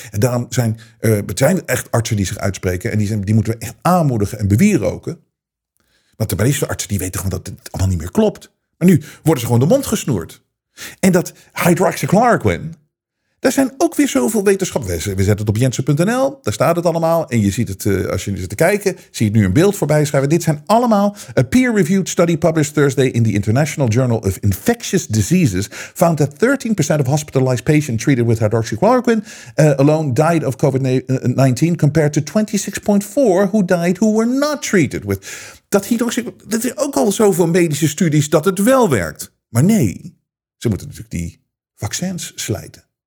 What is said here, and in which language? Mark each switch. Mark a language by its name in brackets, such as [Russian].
[Dutch] En daarom zijn echt artsen die zich uitspreken. En die moeten we echt aanmoedigen en bewieroken. Want de meeste artsen die weten gewoon dat het allemaal niet meer klopt. Maar nu worden ze gewoon de mond gesnoerd. En dat hydroxychloroquine, daar zijn ook weer zoveel wetenschappen. We zetten het op jensen.nl, daar staat het allemaal. En je ziet het, als je nu zit te kijken, zie je het nu een beeld voorbij schrijven. Dit zijn allemaal, [English] a peer-reviewed study published Thursday in the International Journal of Infectious Diseases found that 13% of hospitalized patients treated with hydroxychloroquine alone died of COVID-19 compared to 26.4% who died who were not treated with. [Dutch] Dat hydroxychloroquine, er zijn ook al zoveel medische studies dat het wel werkt. Maar nee. Ze moeten natuurlijk die vaccins slijten.